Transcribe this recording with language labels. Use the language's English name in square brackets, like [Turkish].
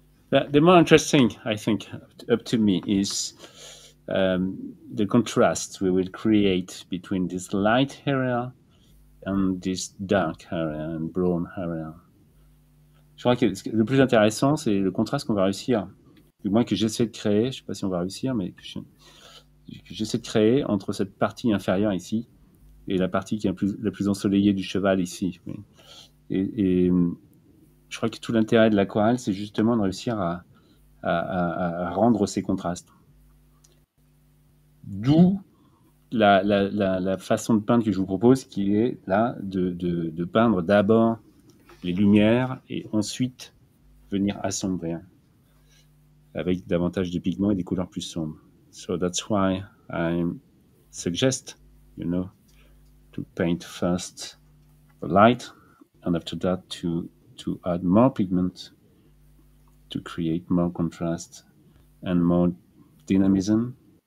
[English] The more interesting, I think, up to me is the contrast we will create between this light area and this dark area and brown area. [French] Je crois que le plus intéressant, c'est le contraste qu'on va réussir, du moins que j'essaie de créer, je ne sais pas si on va réussir, mais que j'essaie de créer entre cette partie inférieure ici et la partie qui est la plus ensoleillée du cheval ici. Et je crois que tout l'intérêt de l'aquarelle, c'est justement de réussir à rendre ces contrastes. D'où la façon de peindre que je vous propose, qui est là de peindre d'abord les lumières et ensuite venir assombrir avec davantage de pigments et des couleurs plus sombres. [English] So that's why I suggest, you know, to paint first the light and after that to add more pigment to create more contrast and more dynamism.